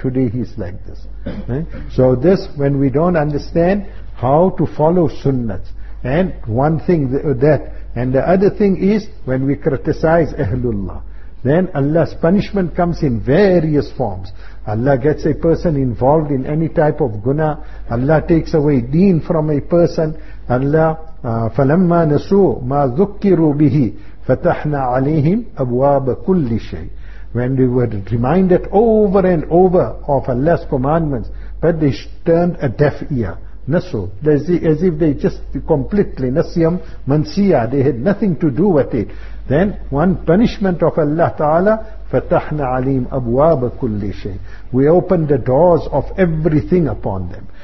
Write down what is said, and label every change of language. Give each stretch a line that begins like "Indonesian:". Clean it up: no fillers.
English: Today he's like this. So this, when we don't understand how to follow sunnahs, and one thing that, and the other thing is, when we criticize Ahlullah, then Allah's punishment comes in various forms. Allah gets a person involved in any type of guna. Allah takes away deen from a person. Allah,
Arabic: فَلَمَّا نَسُوا مَا ذُكِّرُوا بِهِ فَتَحْنَا عَلَيْهِمْ أَبْوَابَ كُلِّ شَيْءٍ.
English: when we were reminded over and over of Allah's commandments, but they turned a deaf ear. Nasu, as if they just completely nasiyam mansiya, they had nothing to do with it. Then one punishment of Allah Ta'ala,
Arabic: fatahna alim abwaab kulli shay,
English: we opened the doors of everything upon them.